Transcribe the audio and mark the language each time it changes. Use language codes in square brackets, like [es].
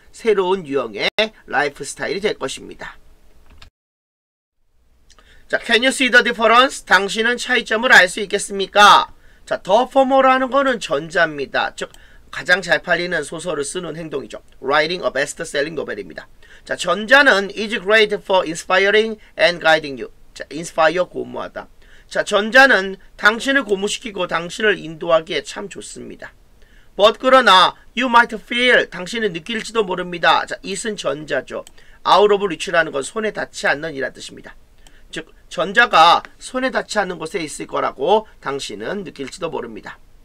[ko] 새로운 유형의 라이프스타일이 될 것입니다. [en] 자, can you see the difference? [ko] 당신은 차이점을 알 수 있겠습니까? 자, the former라는 거는 전자입니다. 즉, 가장 잘 팔리는 소설을 쓰는 행동이죠. [en] Writing a best-selling novel입니다. 자, [ko] 전자는 [en] is great for inspiring and guiding you. [ko] 자, inspire 고무하다. 자, 전자는 당신을 고무시키고 당신을 인도하기에 참 좋습니다. But 그러나 [en] you might feel [ko] 당신은 느낄지도 모릅니다. 자, it은 전자죠. Out of reach라는 건 손에 닿지 않는 이란 뜻입니다. 즉, 전자가 손에 닿지 않는 곳에 있을 거라고 당신은 느낄지도 모릅니다.